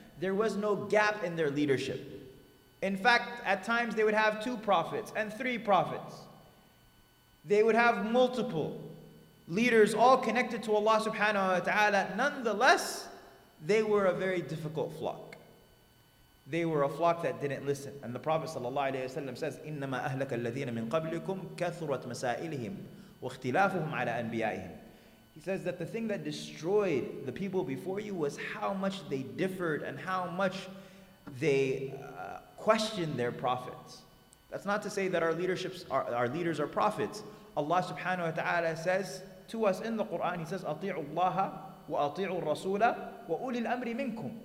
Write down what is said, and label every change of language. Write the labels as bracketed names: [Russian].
[English] There was no gap in their leadership. In fact, at times they would have two prophets and three prophets. They would have multiple leaders all connected to Allah subhanahu wa ta'ala. Nonetheless, they were a very difficult flock. They were a flock that didn't listen. And the Prophet sallallahu alayhi wa sallam says, [Arabic] إِنَّمَا أَهْلَكَ الَّذِينَ مِنْ قَبْلِكُمْ كَثُرَتْ مَسَائِلِهِمْ وَاخْتِلَافُهُمْ عَلَىٰ أَنْبِيَائِهِمْ. [English] He says that the thing that destroyed the people before you was how much they differed and how much they questioned their prophets. That's not to say that our leaderships are our leaders are prophets. Allah subhanahu wa ta'ala says, to us in the Quran. He says, [Arabic] "Ati'u Allah wa ati'u Rasula wa ulil amri minkum."